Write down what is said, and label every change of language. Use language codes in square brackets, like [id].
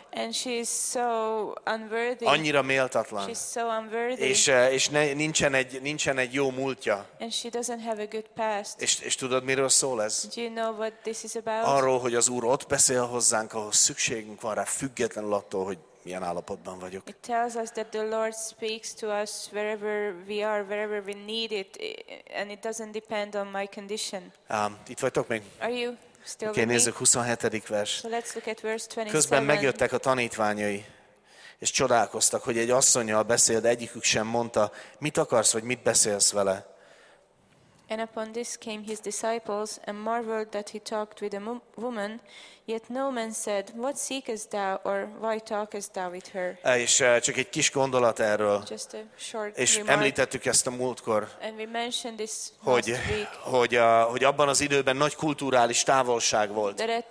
[en] And she is so unworthy. [hu] Annyira méltatlan. [en] She's so unworthy. [hu] És nincsen egy jó múltja. [en] And she doesn't have a good past. [hu] És tudod, miről szól ez? [en] Do you know what this is about? [hu] Arról, hogy az Úr ott beszél hozzánk, ahol szükségünk van rá, függetlenül attól, hogy milyen állapotban vagyok. [en] It tells us that the Lord speaks to us wherever we are, wherever we need it, and it doesn't depend on my condition. [hu] Itt vagytok még? [en] Are you? [hu] Oké, nézzük 27. vers. Közben megjöttek a tanítványai, és csodálkoztak, hogy egy asszonnyal beszél, de egyikük sem mondta, mit akarsz, vagy mit beszélsz vele. [en] And upon this came his disciples, and marveled that he talked with a woman, yet no man said, what seekest thou, or why talkest thou with her? [hu] És csak egy kis gondolat erről. [en] Just a short [hu] és [en] remark. [hu] Említettük ezt a múltkor. [en] And we mentioned this last week. [hu] Hogy abban az időben nagy kulturális távolság volt.